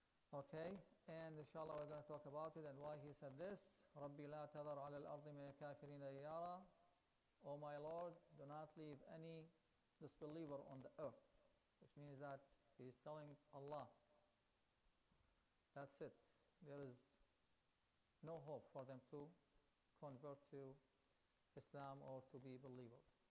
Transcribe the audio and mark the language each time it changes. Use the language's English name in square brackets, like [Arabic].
[English] Okay, and inshallah we're going to talk about it and why he said this. [Arabic] ربي لا تذر على الأرض من الكافرين ديارا. [English] Oh my Lord, do not leave any disbeliever on the earth. Which means that he is telling Allah, that's it. There is no hope for them to convert to Islam or to be believers.